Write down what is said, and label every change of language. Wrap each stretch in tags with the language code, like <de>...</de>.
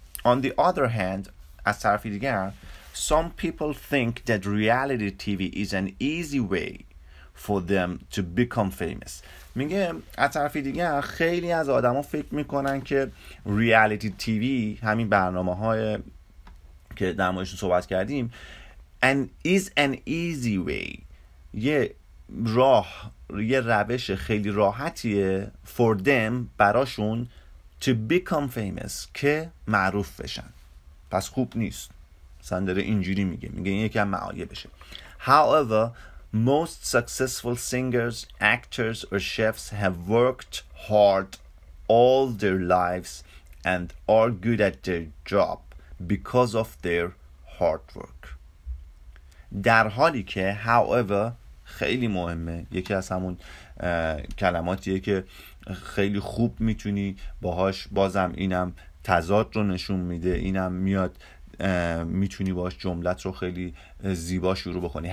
<en>On the other hand،</en> <fa>از طرف دیگر،</fa> <en>some people think that reality TV is an easy way for them to become famous.</en> <fa>میگه از طرف دیگر خیلی از آدم ها فکر میکنن که</fa> <en>reality TV،</en> <fa>همین برنامه های که در موردشون صحبت کردیم،</fa> <en>and is an easy way،</en> <fa>یه راه، یه روش خیلی راحتیه for them، براشون،</fa> <en>to become famous،</en> <fa>که معروف بشن. پس خوب نیست. مثلا داره اینجوری میگه، میگه این یکی هم معایه بشه.</fa> <en>However, most successful singers, actors or chefs have worked hard all their lives and are good at their job because of their hard work.</en> <fa>در حالی که however خیلی مهمه، یکی از همون کلماتیه که خیلی خوب میتونی باهاش، بازم اینم تضاد رو نشون میده، اینم میاد میتونی باهاش جملت رو خیلی زیبا شروع بکنی.</fa>